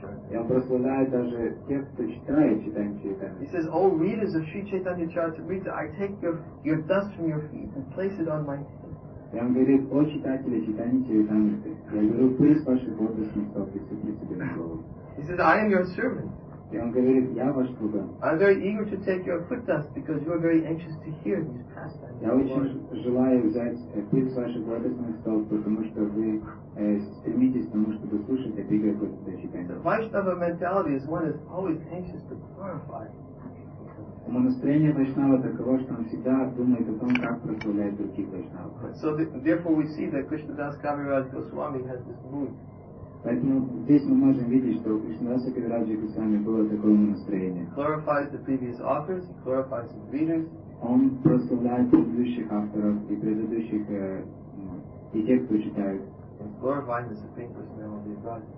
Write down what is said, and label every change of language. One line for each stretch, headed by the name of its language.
Russian: И он прославляет даже тех, кто читает Читание Чайтанья.
English: He says, O readers of Sri Chaitanya Charitamrita, I take your dust from your feet and place it on my head.
Russian: И он говорит, о читатели Читания Чайтанья, я беру пыль ваших бодрых стоп и сыплю себе на голову.
English: He says, I am your servant.
Russian: И он говорит, я ваш слуга.
English: I'm very eager to take your foot dust because you are very anxious to hear these pastimes.
Russian: Я очень желаю взять пыль с ваших благостных стол, потому что вы стремитесь к тому, чтобы слушать эти игры по читанию.
English: Vaishnava mentality is one that's always anxious to glorify.
Russian: Но настроение вайшнава таково, что он всегда думает о том, как прославлять других вайшнавов.
English: So therefore we see that Krishnadas Kaviraj Goswami has this mood.
Russian: Поэтому здесь мы можем видеть, что у Кришнадаса Кавираджа Госвами было такое настроение.
English: Glorifies the previous authors, he glorifies the readers.
Russian: Он прославляет предыдущих авторов и предыдущих и тех, кто читает.
English: He's glorifying the Supreme Personality of God.